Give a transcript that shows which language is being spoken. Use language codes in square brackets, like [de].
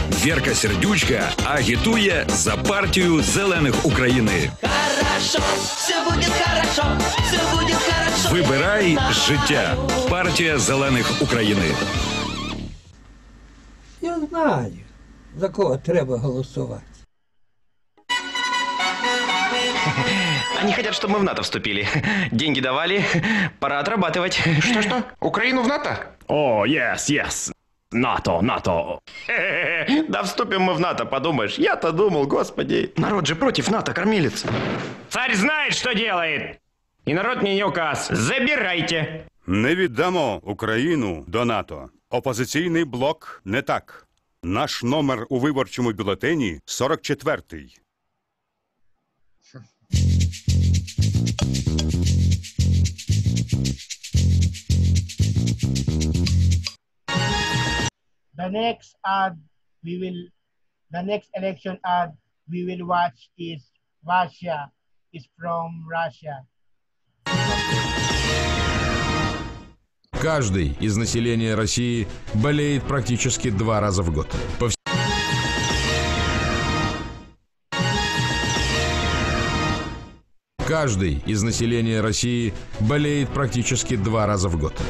[uk] Вірка Сердючка агітує за партію зелених України. Хорошо, все буде хорошо, все буде хорошо. Вибирай життя. Партія зелених України. Я знаю, за кого треба голосувати. [ru] Они хотят, чтобы мы в НАТО вступили. Деньги давали, пора отрабатывать. Что-что? Украину в НАТО? О, [en] yes, yes. [ru] НАТО, НАТО. Да вступим мы в НАТО, подумаешь. Я-то думал, господи. Народ же против НАТО, кормилец. Царь знает, что делает. И народ мне не указ. Забирайте. [uk] Не віддамо Україну до НАТО. Опозиційний блок не так. Наш номер у виборчому бюлетені 44-й. [en] The next ad we will, the next election ad we will watch is Russia, is from Russia. [ru] Каждый из населения России болеет практически два раза в год. Каждый из населения России болеет практически два раза в год.